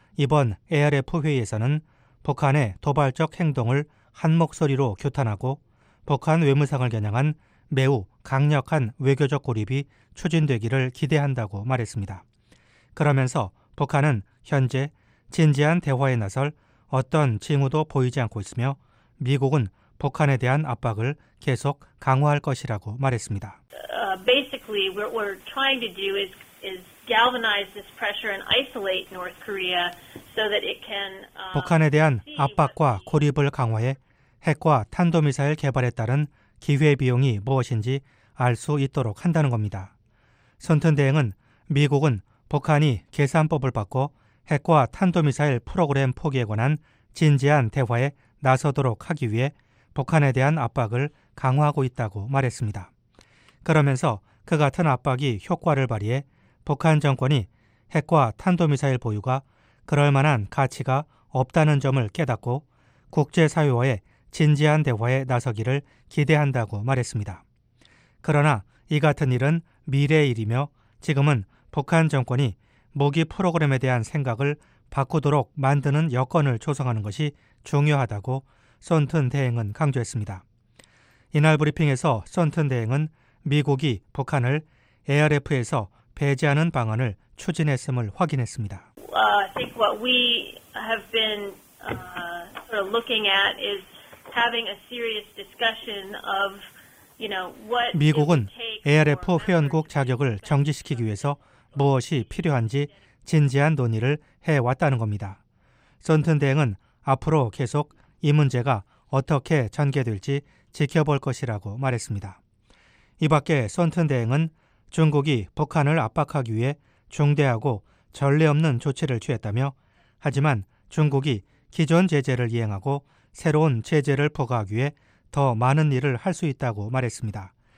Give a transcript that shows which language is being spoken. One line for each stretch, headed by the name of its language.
Korean: 이번 ARF 회의에서는 북한의 도발적 행동을 한 목소리로 규탄하고 북한 외무상을 겨냥한 매우 강력한 외교적 고립이 추진되기를 기대한다고 말했습니다. 그러면서 북한은 현재 진지한 대화에 나설 어떤 징후도 보이지 않고 있으며 미국은 북한에 대한 압박을 계속 강화할 것이라고 말했습니다.
English: Basically, what we're trying to do is galvanize this pressure and isolate North Korea so that it can
Korean: 북한에 대한 압박과 고립을 강화해 핵과 탄도미사일 개발에 따른 기회 비용이 무엇인지 알 수 있도록 한다는 겁니다. 선튼 대행은 미국은 북한이 계산법을 바꿔 핵과 탄도미사일 프로그램 포기에 관한 진지한 대화에 나서도록 하기 위해 북한에 대한 압박을 강화하고 있다고 말했습니다. 그러면서 그 같은 압박이 효과를 발휘해 북한 정권이 핵과 탄도미사일 보유가 그럴 만한 가치가 없다는 점을 깨닫고 국제사회와의 진지한 대화에 나서기를 기대한다고 말했습니다. 그러나 이 같은 일은 미래의 일이며 지금은 북한 정권이 무기 프로그램에 대한 생각을 바꾸도록 만드는 여건을 조성하는 것이 중요하다고 선튼 대행은 강조했습니다. 이날 브리핑에서 선튼 대행은 미국이 북한을 ARF에서 배제하는 방안을 추진했음을 확인했습니다.
English: I think what we have been sort of looking at is having a serious discussion of, you know, what
Korean: 미국은 ARF 회원국 자격을 정지시키기 위해서 무엇이 필요한지 진지한 논의를 해 왔다는 겁니다. 선튼 대행은 앞으로 계속 이 문제가 어떻게 전개될지 지켜볼 것이라고 말했습니다. 이 밖에 선튼 대행은 중국이 북한을 압박하기 위해 중대하고 전례 없는 조치를 취했다며 하지만 중국이 기존 제재를 이행하고 새로운 제재를 부과하기 위해 더 많은 일을 할 수 있다고 말했습니다.